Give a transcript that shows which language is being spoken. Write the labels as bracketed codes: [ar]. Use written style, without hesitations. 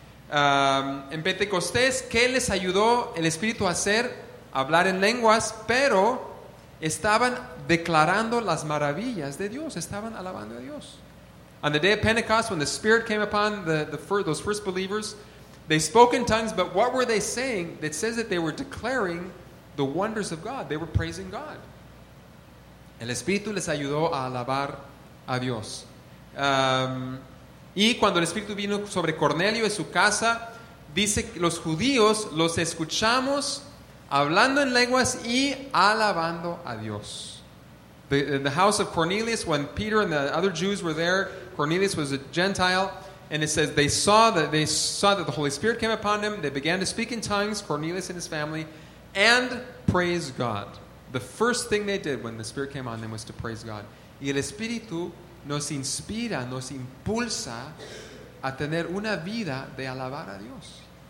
[es] En Pentecostés, ¿qué les ayudó el Espíritu a hacer? Hablar en lenguas, pero estaban declarando las maravillas de Dios. Estaban alabando a Dios. [en] On the day of Pentecost, when the Spirit came upon those first believers, they spoke in tongues, but what were they saying? It says that they were declaring the wonders of God. They were praising God. [es] El Espíritu les ayudó a alabar a Dios. Y cuando el Espíritu vino sobre Cornelio y su casa, dice que los judíos los escuchamos hablando en lenguas y alabando a Dios. [en] In the house of Cornelius, when Peter and the other Jews were there, Cornelius was a Gentile, and it says they saw that the Holy Spirit came upon them. They began to speak in tongues, Cornelius and his family, and praise God. The first thing they did when the Spirit came on them was to praise God. [es] Y el Espíritu nos inspira, nos impulsa a tener una vida de alabar a Dios.